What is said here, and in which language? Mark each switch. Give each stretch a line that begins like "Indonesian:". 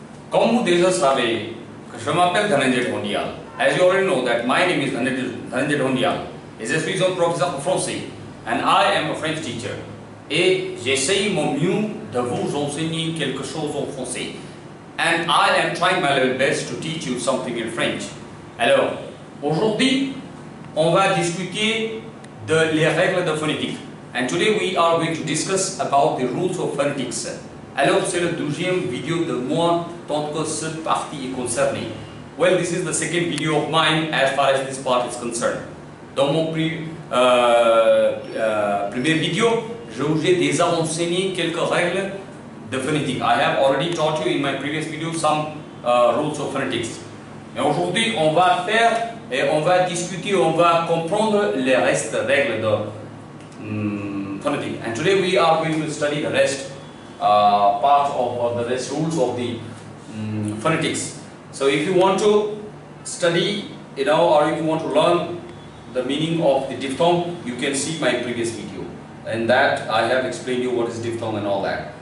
French: Comme vous déjà savez que je m'appelle Dhananjay Dhondial.
English: As you already know that my name is Dhananjay Dhondial.
French: Et je suis un professeur de français.
English: And I am a French teacher.
French: Et j'essaye mon mieux de vous enseigner quelque chose en français.
English: And I am trying my level best to teach you something in French.
French: Alors, aujourd'hui, on va discuter de les règles de phonétique.
English: And today we are going to discuss about the rules of phonetics.
French: Alors, c'est la deuxième vidéo de moi, tant que cette partie est concernée.
English: Well, this is the second video of mine as far as this part is concerned.
French: Dans mon premier vidéo, je vous ai déjà enseigné quelques règles de phonétique.
English: I have already taught you in my previous video some rules of phonetics.
French: Et aujourd'hui, on va faire et on va discuter, on va comprendre les restes de règles de phonétique.
English: And today we are going to study the rest part of the rest rules of the phonetics. So if you want to study, you know, or if you want to learn the meaning of the diphthong, you can see my previous video. And that I have explained you what is diphthong and all that.